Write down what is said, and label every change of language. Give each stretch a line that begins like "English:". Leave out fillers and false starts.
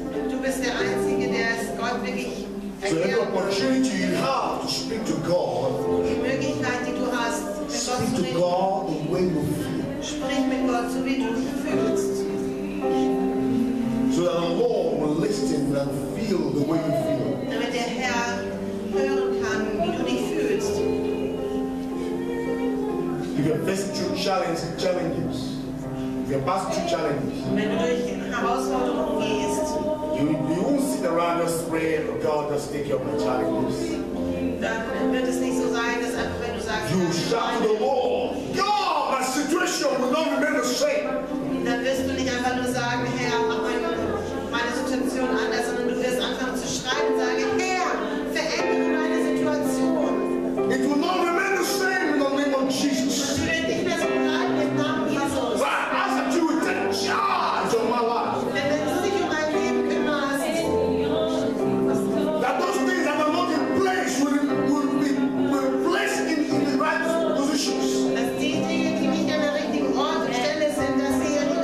English: So any opportunity you have to speak to God, speak to God the way you feel. So that the Lord will listen and feel the way you feel.
German: Damit der Herr hören kann, wie du dich fühlst.
English: If you're facing through challenges, if you're passing through challenges,
German: wenn du durch Herausforderungen gehst,
English: you won't sit around just praying, oh God, just take care of my challenges.
German: Dann wird es nicht so sein, dass einfach wenn du sagst,
English: you shout to the Lord, God, my situation will not remain the same.
German: Dann wirst du nicht einfach nur sagen, Herr, mach meine Situation anders, sondern du wirst anfangen zu schreiben und sagen, Herr, verändere meine Situation.
English: It will not remain the same in the name of Jesus.
German: Und du wirst nicht mehr so bleiben im Namen Jesus.
English: But I ask that you will take charge of my life.
German: Wenn du dich um mein Leben kümmerst,
English: that those things that are not in place will be placed in the right positions.
German: Dass die Dinge, die nicht an der richtigen Ort und Stelle sind, dass sie